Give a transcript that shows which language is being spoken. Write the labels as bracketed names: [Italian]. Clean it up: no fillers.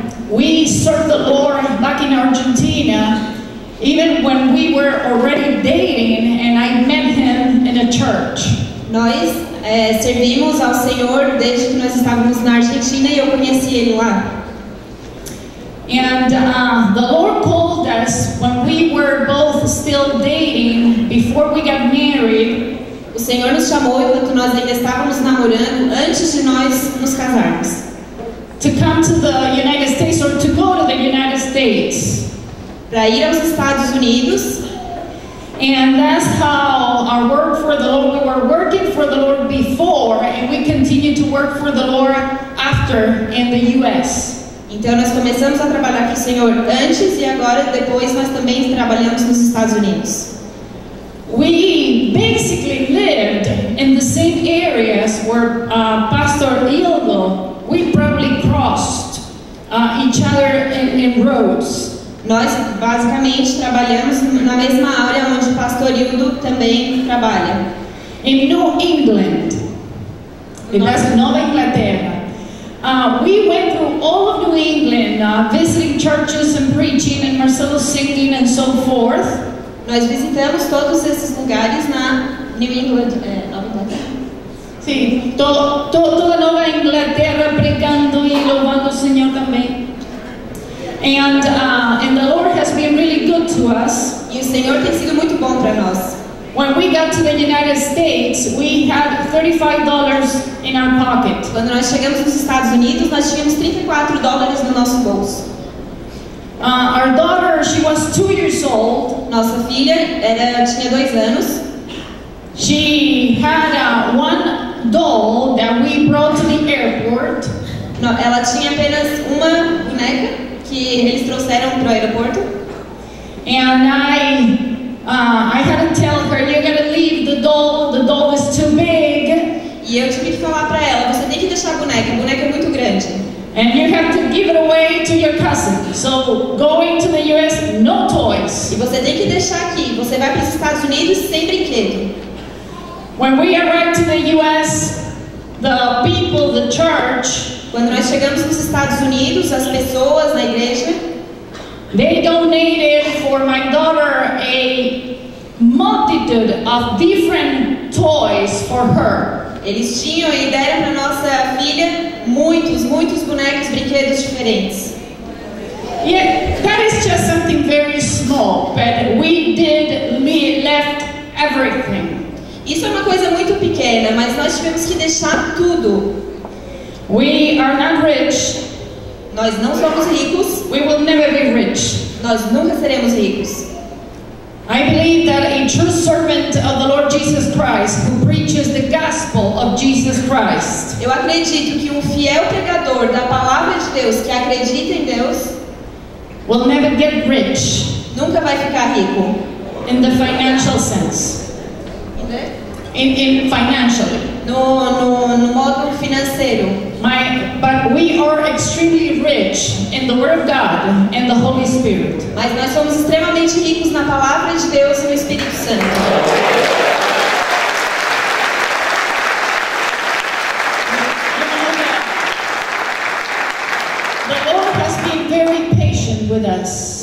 [English] We served the Lord back in Argentina, even when we were already dating, and I met him in a church. [Portuguese] Nós servimos ao Senhor desde que nós estávamos na Argentina e eu conheci ele lá. [English] And the Lord called us when we were both still dating before we got married. [Portuguese] O Senhor nos chamou enquanto nós ainda estávamos namorando antes de nós nos casarmos. [English] To come to the United States or to go to the United States. [Portuguese] Para ir aos Estados Unidos. [English] And that's how our work for the Lord. We were working for the Lord before, and we continue to work for the Lord after in the U.S. [Portuguese] Então nós começamos a trabalhar com o Senhor antes e agora depois nós também trabalhamos nos Estados Unidos. [English] We basically lived in the same areas where Pastor Hildo, we probably crossed each other in roads. [Portuguese] Nós basicamente trabalhamos na mesma área onde Pastor Hildo também trabalha. [English] In New England. Nova Inglaterra. We went through all of New England, visiting churches and preaching and Marcelo singing and so forth. [Portuguese] Nós visitamos todos esses lugares na New England, Nova Inglaterra. Sim, toda Nova Inglaterra pregando e louvando o Senhor também. [English] And the Lord has been really good to us. [Portuguese] E o Senhor tem sido muito bom para nós. [English] When we got to the United States, we had $35 in our pocket. [Portuguese] Quando nós chegamos nos Estados Unidos, nós tínhamos $34 no nosso bolso. [English] Our daughter, she was 2 years old. [Portuguese] Nossa filha tinha 2 anos. [English] She had one doll that we brought to the airport. [Portuguese] Não, ela tinha apenas uma boneca que eles trouxeram para o aeroporto. [English] And I had to tell her, you gotta leave the doll is too big. [Portuguese] E eu tive que falar para ela, você tem que deixar a boneca é muito grande. [English] And you have to give it away to your cousin. So, going to the US, no toys. [Portuguese] E você tem que deixar aqui, você vai para os Estados Unidos sem brinquedo. [English] When we arrived to the US, the people, the church. [Portuguese] Quando nós chegamos nos Estados Unidos, as pessoas na igreja. [English] They donated for my daughter a multitude of different toys for her. [Portuguese] Eles tinham e deram para nossa filha muitos, muitos bonecos, brinquedos diferentes. [English] Yeah, that is just something very small, but we left everything. [Portuguese] Isso é uma coisa muito pequena, mas nós tivemos que deixar tudo. [English] We are not rich. [Portuguese] Nós não somos ricos. [English] We will never be rich. [Portuguese] Nós nunca seremos ricos. [English] I believe that a true servant of the Lord Jesus Christ who preaches the gospel of Jesus Christ. [Portuguese] Eu acredito que fiel pregador da palavra de Deus que acredita em Deus [English] will never get rich. [Portuguese] nunca vai ficar rico. [English] In the financial sense. In financially. [Portuguese] No modo financeiro. [English] But we are extremely rich in the Word of God and the Holy Spirit. [Portuguese] Mas nós somos extremamente ricos na palavra de Deus e no Espírito Santo. [English] The Lord has been very patient with us.